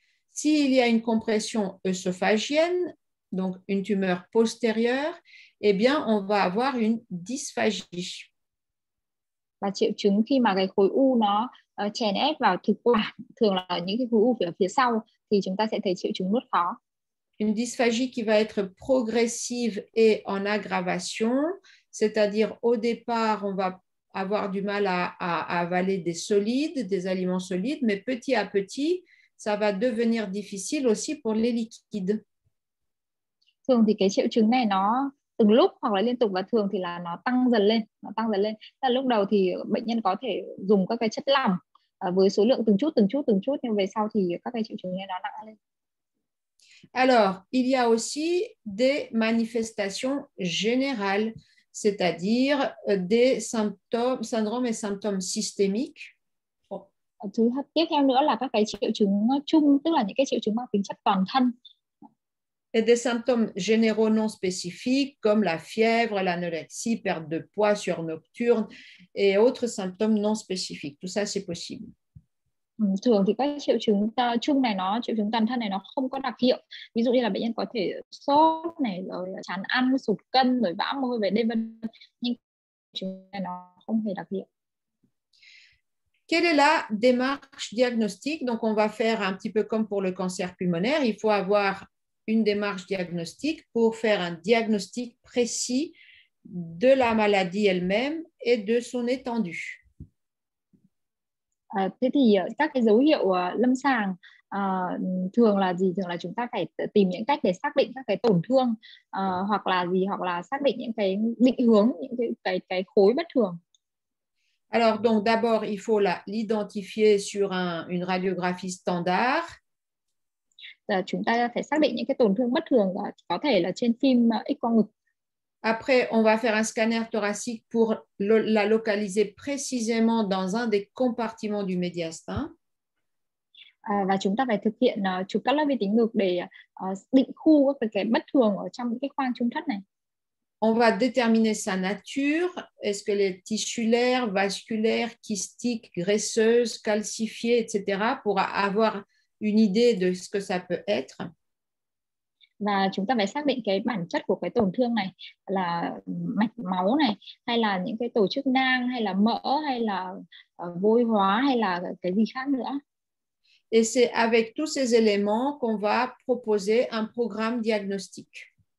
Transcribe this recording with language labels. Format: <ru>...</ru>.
<fr>S'il y a une compression œsophagienne, donc une tumeur postérieure, eh bien on va avoir une dysphagie.</fr> <vi>Và triệu chứng khi mà cái khối u nó chèn ép vào thực quản, thường là những cái khối u ở phía sau thì chúng ta sẽ thấy triệu chứng nuốt khó.</vi> <fr>Une dysphagie qui va être progressive et en aggravation. C'est-à-dire, au départ, on va avoir du mal à avaler des solides, des aliments solides, mais petit à petit, ça va devenir difficile aussi pour les liquides.</fr> <vi>Thường thì cái triệu chứng này nó từng lúc hoặc là liên tục và thường thì là nó tăng dần lên, nó tăng dần lên. Tức là lúc đầu thì bệnh nhân có thể dùng các cái chất lỏng với số lượng từng chút, từng chút, từng chút, nhưng về sau thì các cái triệu chứng này nó nặng lên.</vi> <fr>Alors, il y a aussi des manifestations générales. C'est-à-dire des symptômes, syndromes et symptômes systémiques.</fr> <vi>Tiếp theo nữa là các cái triệu chứng chung, tức là những cái triệu chứng mang tính chất toàn thân.</vi> <fr>Et des symptômes généraux non spécifiques comme la fièvre, l'anorexie, perte de poids sur nocturne et autres symptômes non spécifiques. Tout ça, c'est possible.</fr> <vi>Thường thì các triệu chứng chung này, nó triệu chứng toàn thân này nó không có đặc hiệu. Ví dụ như là bệnh nhân có thể sốt này, rồi chán ăn, sụt cân, rồi vã mồ hôi về đêm vân vân. Nhưng triệu chứng này nó không hề đặc hiệu.</vi> <fr>Quelle est la démarche diagnostique? Donc on va faire un petit peu comme pour le cancer pulmonaire. Il faut avoir une démarche diagnostique pour faire un diagnostic précis de la maladie elle-même et de son étendue.</fr> <vi>Thế thì các cái dấu hiệu lâm sàng thường là gì? Thường là chúng ta phải tìm những cách để xác định các cái tổn thương hoặc là gì, hoặc là xác định những cái định hướng, những cái khối bất thường.</vi> <fr>Alors donc d'abord il faut l'identifier sur une radiographie standard.</fr> <vi>Chúng ta phải xác định những cái tổn thương bất thường có thể là trên phim X-quang ngực.</vi> <fr>Après, on va faire un scanner thoracique pour la localiser précisément dans un des compartiments du médiastin.</fr> <vi>Và chúng ta phải thực hiện chụp các lớp vi tính ngực để định khu các cái bất thường ở trong cái khoang trung thất này.</vi> <fr>On va déterminer sa nature. Est-ce que les tissulaires, vasculaires, kystiques, graisseuses, calcifiées, etc. pour avoir une idée de ce que ça peut être.</fr> <vi>Và chúng ta phải xác định cái bản chất của cái tổn thương này là mạch máu này, hay là những cái tổ chức nang, hay là mỡ, hay là vôi hóa, hay là cái gì khác nữa.</vi> <fr>Et c'est avec tous ces éléments qu'on va proposer un programme diagnostique.</fr>